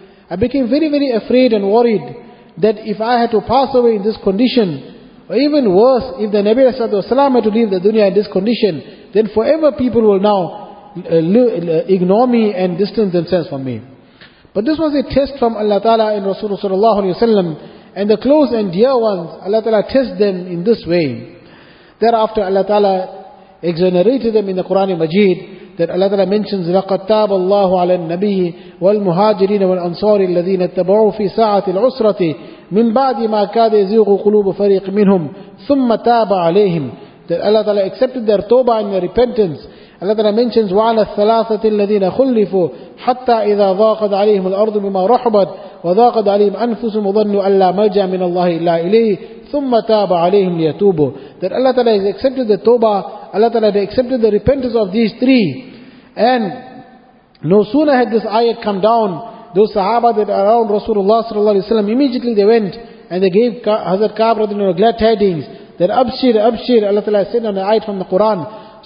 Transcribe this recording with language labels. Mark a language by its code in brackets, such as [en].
[en] I became very, very afraid and worried that if I had to pass away in this condition, or even worse, if the Nabi sallallahu alayhi wa sallam had to leave the dunya in this condition, then forever people will now ignore me and distance themselves from me. But this was a test from Allah Ta'ala and Rasulullah sallallahu alayhi wa sallam, and the close and dear ones, Allah Ta'ala test them in this way. Thereafter Allah Ta'ala exonerated them in the Quran Majeed, that Allah Ta'ala mentions, [ar] لَقَدْ تَابَ اللَّهُ عَلَى النَّبِيِّ وَالْمُهَاجِرِينَ وَالْأَنصَارِ الَّذِينَ اتَّبَعُوا فِي سَاعَةِ الْعُسْرَةِ مِنْ بَعْدِ مَا كَادَ يَزِيغُ قُلُوبُ فَرِيقٍ مِنْهُمْ ثُمَّ تَابَ عَلَيْهِمْ. [en] That Allah Ta'ala accepted their tawbah and their repentance. Allah Ta'ala mentions, [ar] وَعَلَى الثَّلَاثَةِ الَّذِينَ خُلِّفُوا حَتَّى إِذَا ضَاقَتْ عَلَيْهِمُ الْأَرْضُ بِمَا رَحُبَتْ وَضَاقَتْ عَلَيْهِمْ أَنفُسُهُمْ وَظَنُّوا أَن لَّا مَلْجَأَ مِنَ اللَّهِ إِلَّا إِلَيْهِ ثُمَّ تَابَ عَلَيْهِمْ لِيَتُوبُوا. [en] That Allah Ta'ala has accepted the tawbah, Allah Ta'ala has accepted the repentance of these three, and No sooner had this ayat come down, those sahaba that are around Rasulullah sallallahu alayhi wa sallam, immediately they went and they gave Hazrat Ka'b radhiyallahu anhu glad tidings that abshir, abshir, Allah ta'ala sent an ayat from the Quran.